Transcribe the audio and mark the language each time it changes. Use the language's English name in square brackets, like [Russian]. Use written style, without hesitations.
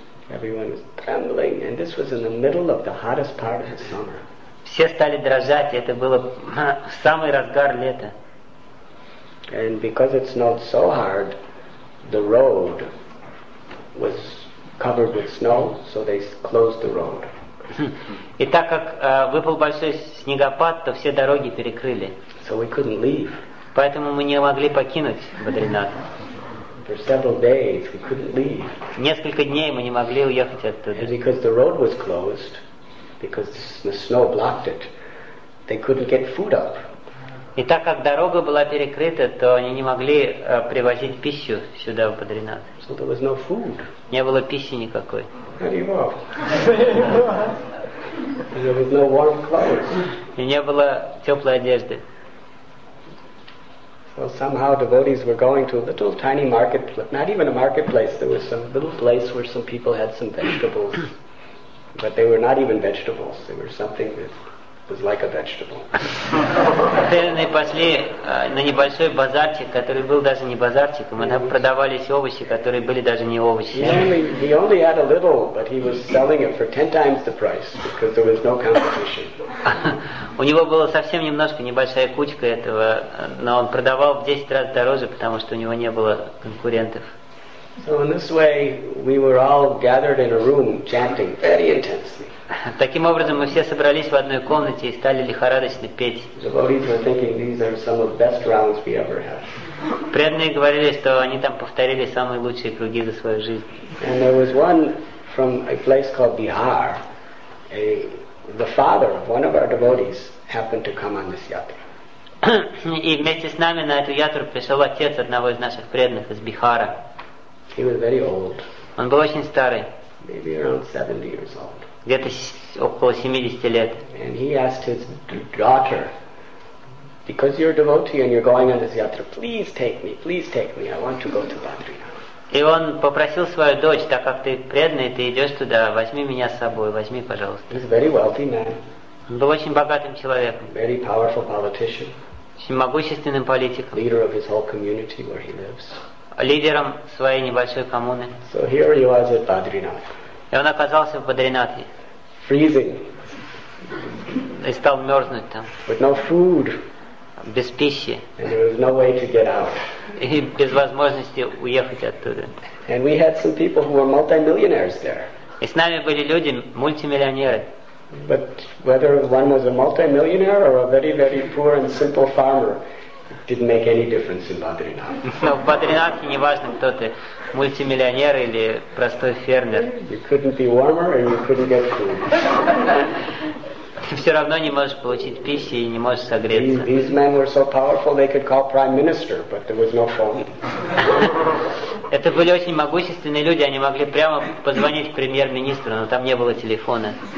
[English] Everyone was trembling, and this was in the middle of the hottest part of the summer. [Russian] Все стали дрожать, это было в самый разгар лета. [English] And because it snowed so hard, the road was covered with snow, so they closed the road. [Russian] И так как выпал большой снегопад, то все дороги перекрыли. [English] So we couldn't leave. [Russian] Поэтому мы не могли покинуть Бадринат. [English] For several days we couldn't leave. [Russian] Несколько дней мы не могли уехать оттуда. [English] And because the road was closed, because the snow blocked it, they couldn't get food up. [Russian] И так как дорога была перекрыта, то они не могли привозить пищу сюда в Бадринат. [English] So there was no food. [Russian] Не было пищи никакой. Харибол. [English] There was no warm clothes. [Russian] И не было теплой одежды. [English] So somehow devotees were going to a little tiny marketplace, not even a marketplace, there was some little place where some people had some vegetables. But they were not even vegetables, they were something that was like a vegetable. [Russian] Они пошли на небольшой базарчик, который был даже не базарчиком, там продавались овощи, которые были даже не овощи. [English] He only had a little, but he was selling it for 10 times the price, because there was no competition. [Russian] У него было совсем немножко, небольшая кучка этого, но он продавал в 10 раз дороже, потому что у него не было конкурентов. [English] So in this way, we were all gathered in a room, chanting very intensely. [Russian] Таким образом, мы все собрались в одной комнате и стали лихорадочно петь. Преданные говорили, что они там повторили самые лучшие круги за свою жизнь. И вместе с нами на эту ятру пришел отец одного из наших преданных из Бихара. [English] He was very old. [Russian] Он был очень старый. [English] Maybe around 70 years old. [Russian] Где-то около 70 лет. [English] And he asked his daughter, because you're a devotee and you're going on this yatra, please take me, I want to go to Badrinath. [Russian] И он попросил свою дочь, так как ты преданный, ты идешь туда, возьми меня с собой, возьми, пожалуйста. [English] He's a very wealthy man. [Russian] Он был очень богатым человеком. [English] Very powerful politician. [Russian] Очень могущественным политиком. [English] Leader of his whole community where he lives. [Russian] Лидером своей небольшой коммуны. [English] So here he was at Badrinath. [Russian] И он оказался в Бадринате. [English] Freezing. [Russian] И стал мерзнуть там. [English] With no food. [Russian] Без пищи. [English] And there was no way to get out. [Russian] И без возможности уехать оттуда. [English] And we had some people who were multimillionaires there. [Russian] И с нами были люди, мультимиллионеры. [English] But whether one was a multimillionaire or a very, very poor and simple farmer, didn't make any difference in Badrinath. [Russian] Но в Бадринатхе не важно, кто ты, мультимиллионер или простой фермер. [English] You couldn't be warmer and you couldn't get food. [Russian] Ты все равно не можешь получить пищи и не можешь согреться. [English] These men were so powerful they could call prime minister, but there was no phone. [Russian] Это были очень могущественные люди, они могли прямо позвонить премьер-министру, но там не было телефона.